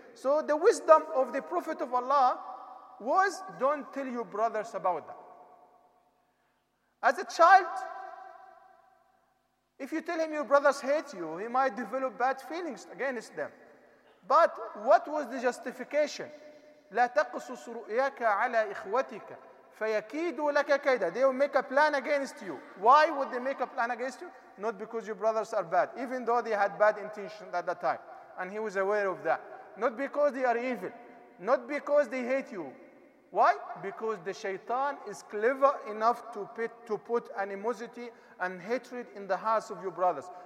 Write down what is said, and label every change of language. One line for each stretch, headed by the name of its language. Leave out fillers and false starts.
English: So the wisdom of the Prophet of Allah was, don't tell your brothers about that. As a child, if you tell him your brothers hate you, he might develop bad feelings against them. But what was the justification?
Arabic: لا تقصص رؤياك على إخوتك فيكيدوا لك كيدا.
English: They will make a plan against you. Why would they make a plan against you? Not because your brothers are bad, even though they had bad intentions at that time, and he was aware of that. Not because they are evil. Not because they hate you. Why? Because the shaitan is clever enough to put animosity and hatred in the hearts of your brothers.